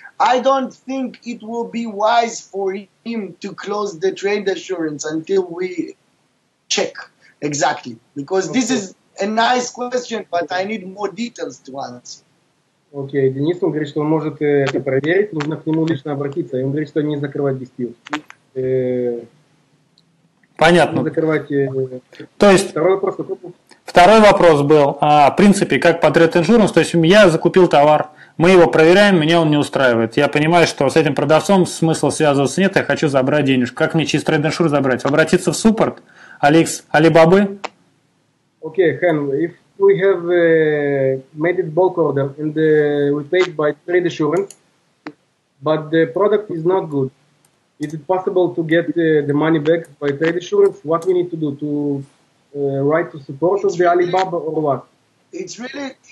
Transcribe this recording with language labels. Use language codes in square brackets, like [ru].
[en] I don't think it will be wise for him to close the trade assurance until we check exactly. Because this is a nice question, but I need more details to answer. [ru] Окей, Денис, он говорит, что он может это проверить, нужно к нему лично обратиться. И он говорит, что не закрывать диспьют. Понятно. Закрывать. То есть второй вопрос какой? Второй вопрос был, в принципе, как по Trade Insurance, то есть я закупил товар, мы его проверяем, меня он не устраивает. Я понимаю, что с этим продавцом смысла связываться нет, я хочу забрать денежку. Как мне через Trade Insurance забрать? Обратиться в суппорт, Алекс, Алибабы? [en] Окей, Хэн, if we have made it bulk order and we paid by Trade Insurance, but the product is not good. Is it possible to get the money back by Trade Insurance? What we need to do? To write to support of the Alibaba or what?